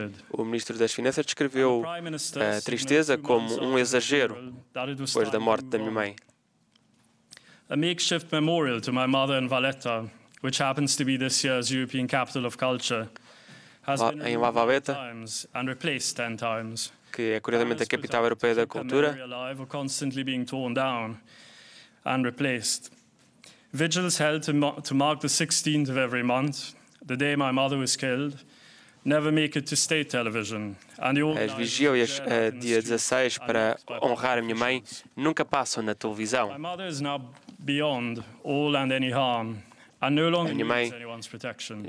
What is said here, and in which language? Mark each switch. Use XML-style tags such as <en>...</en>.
<pt>O ministro das Finanças descreveu a tristeza como um exagero depois da morte da minha mãe.</pt> <en>A makeshift memorial to my mother in Valletta, which happens to be this year's European Capital of Culture, has been removed 10 times and replaced 10 times.</en> <pt>Que é curiosamente a capital europeia da cultura.</pt> <en>Constantly being torn down and replaced. Vigils held to mark the 16th of every month, the day my mother was killed, never make it to state television.</en> <pt>As vigílias dia 16 para honrar a minha mãe nunca passam na televisão.</pt> <en>My mother is now beyond all and any harm, and no longer needs anyone's protection.</en>